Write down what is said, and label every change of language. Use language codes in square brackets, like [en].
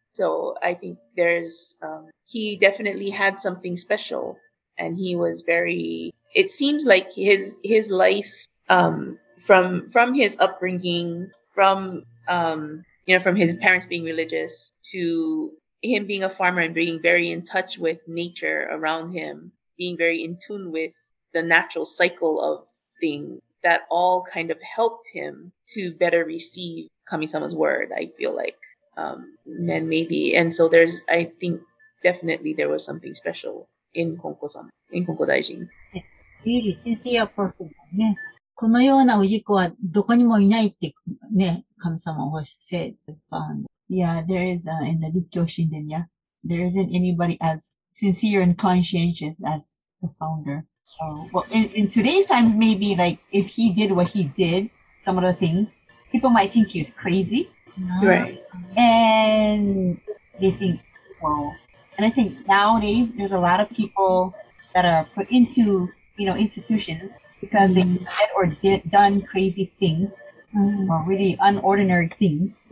[en] So I think there's, he definitely had something special, and he was very, it seems like his life, from his upbringing, from, you know, from his parents being religious to him being a farmer and being very in touch with nature around him, being very in tune with the natural cycle of things, that all kind of helped him to better receive Kamisama's word, I feel like. Then maybe, and so there's, I think definitely there was something special in Konko-sama, in Konko Daijin. Really sincere person. [ja] このようなおじこはどこにもいないってね、神様は said. [en] Yeah, there is, in the 立教神殿, yeah. There isn't anybody as sincere and conscientious as the founder. So, well, in today's times, maybe like, if he did what he did, some of the things, people might think he's crazy. Right. And they think, well, and I think nowadays, there's a lot of people that are put into, you know, institutions, because they had or did done crazy things, or really unordinary things.